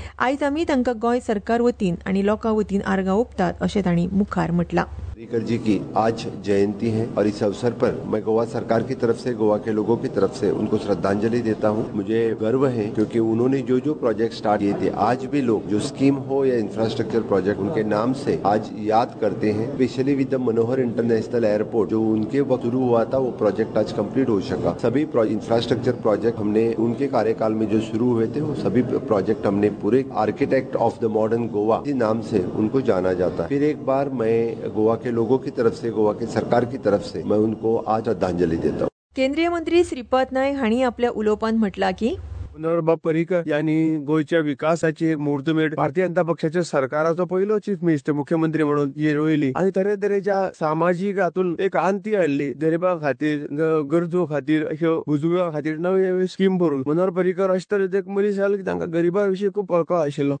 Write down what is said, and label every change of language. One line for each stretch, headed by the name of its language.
Goan Konkani: आयज आमी तांकां गोंय सरकार वतीन आनी लोकां वतीन आर्गां ओपतात अशें तांणी मुखार म्हटलां.
Hindi: परिकर जी की आज जयंती है और इस अवसर पर मैं गोवा सरकार की तरफ से, गोवा के लोगों की तरफ से उनको श्रद्धांजलि देता हूं. मुझे गर्व है क्योंकि उन्होंने जो जो प्रोजेक्ट स्टार्ट किए थे, आज भी लोग जो स्कीम हो या इंफ्रास्ट्रक्चर प्रोजेक्ट उनके नाम से आज याद करते हैं. Specially with the Manohar international airport जो उनके वक्त शुरू हुआ था, वो प्रोजेक्ट आज कम्प्लीट हो सका. सभी इंफ्रास्ट्रक्चर प्रोजेक्ट हमने उनके कार्यकाल में जो शुरू हुए थे, वो सभी प्रोजेक्ट हमने पूरे architect of the modern Goa के नाम से उनको जाना जाता. फिर एक बार मैं गोवा लोगों की तरफ से, गोवा की सरकार की तरफ से मैं उनको आज श्रद्धांजलि देता हूँ.
Goan Konkani: केंद्रीय मंत्री श्रीपाद नाईक हांणी आपल्या उलोपांत म्हटला की
Marathi: मनोहरबाब परिकर यांनी गोयच्या विकासाची एक मुहूर्तमेट भारतीय जनता पक्षाच्या सरकाराचं पहिलं चीफ मिनिस्टर मुख्यमंत्री म्हणून रोयली आणि तरेतरेच्या सामाजिक हातून एक आंती हाडली.
Goan Konkani: गरिबा खातीर, गरजो खातीर, अशा बुजुर्गां खातीर नवी नवी स्कीम भरून मनोहर परिकर अशे तरेचे एक मनीस आले की तांकां गरिबां विशीं खूब कळको आशिल्लो.